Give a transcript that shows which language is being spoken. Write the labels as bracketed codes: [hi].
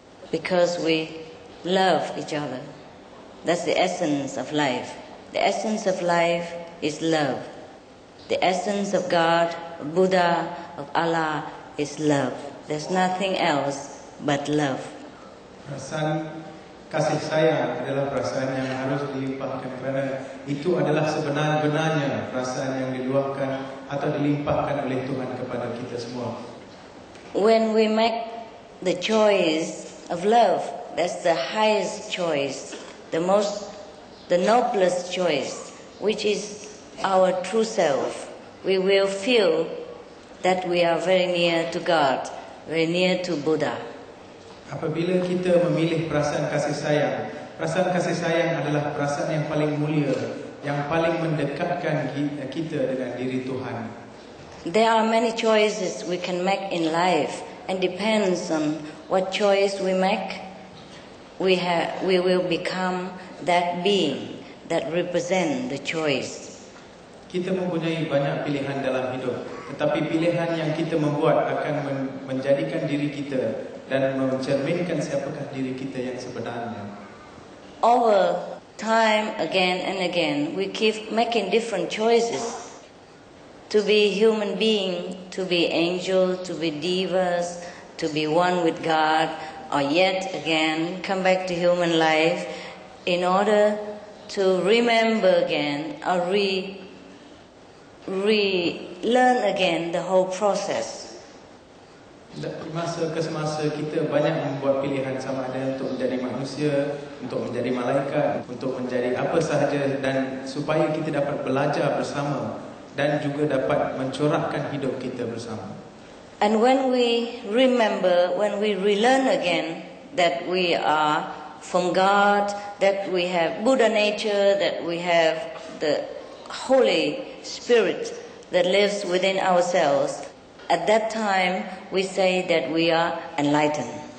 [en] Because we love each other. That's the essence of life. The essence of life is love. The essence of God, of Buddha, of Allah is love. There's nothing else but love. [ms] Perasaan kasih sayang adalah perasaan yang harus dilimpahkan kerana itu adalah sebenar-benarnya perasaan yang diluahkan atau dilimpahkan oleh Tuhan kepada kita semua. [en] When we make the choice of love, that's the highest choice, the noblest choice, which is our true self. We will feel that we are very near to God, very near to Buddha. [ms] Apabila kita memilih perasaan kasih sayang adalah perasaan yang paling mulia, yang paling mendekatkan kita dengan diri Tuhan. [en] There are many choices we can make in life, and depends on what choice we make, we will become that being that represent the choice. [ms] Kita mempunyai banyak pilihan dalam hidup, tetapi pilihan yang kita membuat akan menjadikan diri kita dan mencerminkan siapakah diri kita yang sebenarnya. [en] Over time, again and again, we keep making different choices. To be human being, to be angel, to be divas, to be one with God, or yet again come back to human life in order to remember again or relearn again the whole process. [ms] Dari masa ke semasa kita banyak membuat pilihan sama ada untuk menjadi manusia, untuk menjadi malaikat, untuk menjadi apa sahaja dan supaya kita dapat belajar bersama dan juga dapat mencorakkan hidup kita bersama. [en] And when we remember, when we relearn again that we are from God, that we have Buddha nature, that we have the Holy Spirit that lives within ourselves, at that time we say that we are enlightened.